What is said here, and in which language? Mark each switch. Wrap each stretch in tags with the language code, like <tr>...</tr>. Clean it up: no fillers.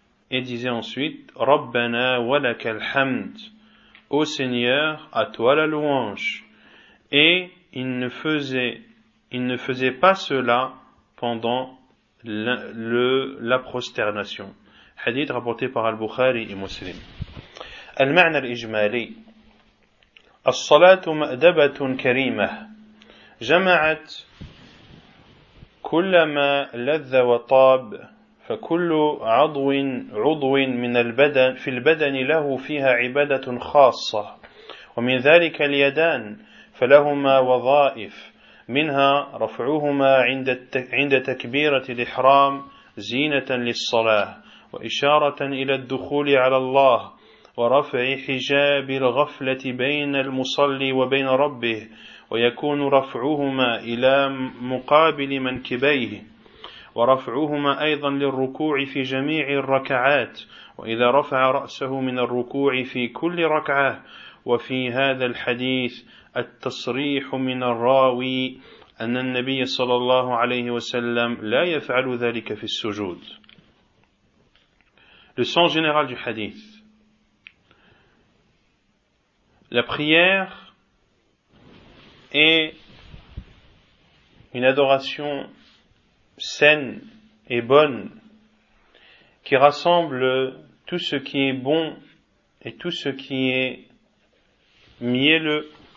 <fr>Et disait ensuite,</fr> <ar>رَبَّنَا وَلَكَ الْحَمْدُ</ar> <fr>Ô Seigneur, à toi la louange. Et il ne faisait pas cela pendant la prosternation. Hadith rapporté par Al-Bukhari et Muslim.</fr> <ar>المعنى الإجمالي الصلاة مأدبة كريمة جمعت كل ما لذ وطاب فكل عضو من البدن في البدن له فيها عبادة خاصة ومن ذلك اليدان فلهما وظائف منها رفعهما عند تكبيرة الإحرام زينة للصلاة وإشارة إلى الدخول على الله ورفع حجاب الغفلة بين المصلي وبين ربه ويكون رفعهما إلى مقابل منكبيه ورفعهما أيضا للركوع في جميع الركعات وإذا رفع رأسه من الركوع في كل ركعة وفي هذا الحديث التصريح من الراوي أن النبي صلى الله عليه وسلم لا يفعل ذلك في السجود.</ar> <fr>Le sens général du hadith. La prière est une adoration saine et bonne qui rassemble tout ce qui est bon et tout ce qui est mielleux.</fr>